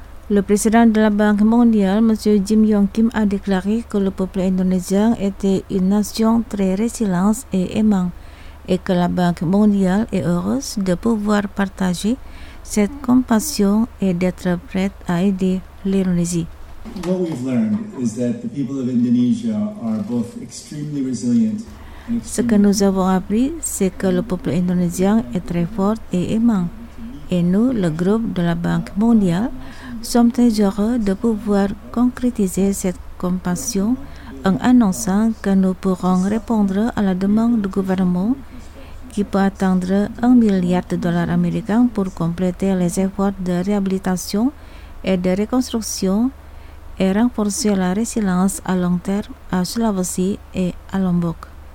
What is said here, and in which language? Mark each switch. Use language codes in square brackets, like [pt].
[fr] Le président de la Banque mondiale, M. Jim Yong Kim, a déclaré que le peuple indonésien était une nation très résiliente et aimante et que la Banque mondiale est heureuse de pouvoir partager cette compassion et d'être prête à aider l'Indonésie. [en] What we've learned is that the people of Indonesia are both extremely resilient. [fr] Ce que nous avons appris, c'est que le peuple indonésien est très fort et aimant. Et nous, le groupe de la Banque mondiale, sommes très heureux de pouvoir concrétiser cette compassion en annonçant que nous pourrons répondre à la demande du gouvernement qui peut atteindre 1 milliard de dollars américains pour compléter les efforts de réhabilitation et de reconstruction et renforcer la résilience à long terme à Sulawesi et à Lombok.